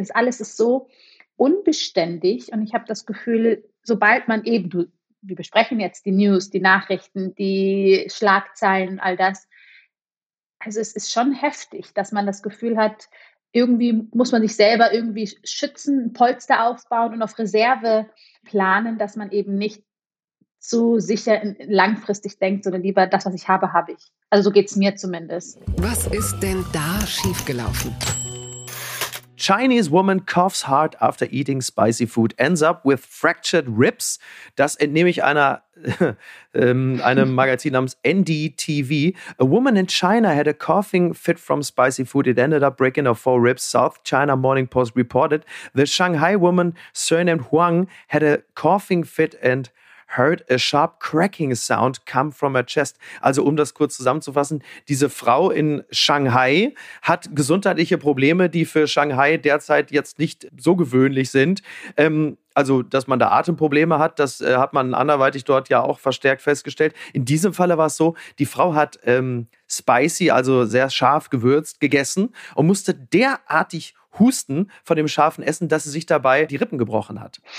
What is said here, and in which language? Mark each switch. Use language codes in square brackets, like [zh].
[de] Das alles ist so unbeständig und ich habe das Gefühl, sobald man eben, wir besprechen jetzt die News, die Nachrichten, die Schlagzeilen, all das, also es ist schon heftig, dass man das Gefühl hat, irgendwie muss man sich selber irgendwie schützen, Polster aufbauen und auf Reserve planen, dass man eben nicht zu sicher langfristig denkt, sondern lieber das, was ich habe, habe ich. Also so geht es mir zumindest. Was ist denn da schiefgelaufen? [en] Chinese woman coughs hard after eating spicy food, ends up with fractured ribs. [de] Das entnehme ich einem Magazin namens NDTV. [en] A woman in China had a coughing fit from spicy food. It ended up breaking her 4 ribs. South China Morning Post reported the Shanghai woman, surnamed Huang, had a coughing fit and heard a sharp cracking sound come from her chest. [de] Also um das kurz zusammenzufassen, diese Frau in Shanghai hat gesundheitliche Probleme, die für Shanghai derzeit jetzt nicht so gewöhnlich sind. Also, dass man da Atemprobleme hat, das hat man anderweitig dort ja auch verstärkt festgestellt. In diesem Falle war es so, die Frau hat spicy, also sehr scharf gewürzt, gegessen und musste derartig husten von dem scharfen Essen, dass sie sich dabei die Rippen gebrochen hat.